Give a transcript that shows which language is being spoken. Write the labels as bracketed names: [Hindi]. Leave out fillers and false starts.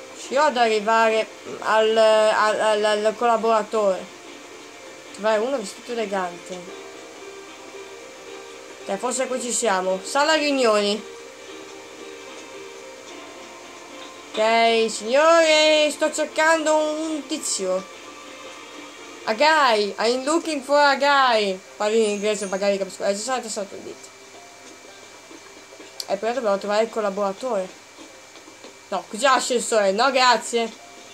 [Italian] Io ad arrivare al collaboratore. Vai, uno vestito elegante. Okay, forse qui ci siamo. Sala riunioni. Ok, signore, sto cercando un tizio. [English] A guy, I'm looking for a guy. [Italian] Parli in inglese, magari capisco. È già stato detto. E però dobbiamo trovare il collaboratore. No, qui c'è l'ascensore, no grazie.